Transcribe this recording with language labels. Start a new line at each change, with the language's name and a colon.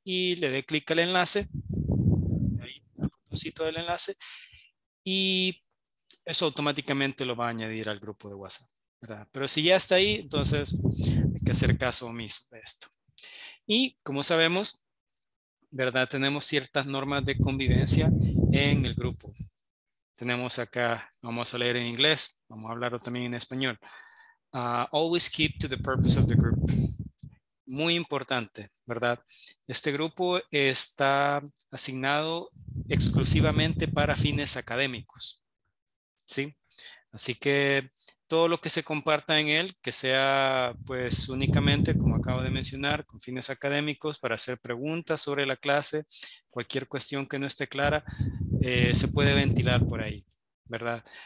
Spanish: Y le dé clic al enlace, ahí, al botoncito del enlace, y eso automáticamente lo va a añadir al grupo de WhatsApp, ¿verdad? Pero si ya está ahí, entonces hay que hacer caso omiso de esto. Y como sabemos, ¿verdad? Tenemos ciertas normas de convivencia en el grupo. Tenemos acá, vamos a leer en inglés, vamos a hablarlo también en español.
English: Always keep to the purpose of the group.
Spanish: Muy importante, ¿verdad? Este grupo está asignado exclusivamente para fines académicos, ¿sí? Así que todo lo que se comparta en él, que sea pues únicamente, como acabo de mencionar, con fines académicos, para hacer preguntas sobre la clase, cualquier cuestión que no esté clara, se puede ventilar por ahí, ¿verdad?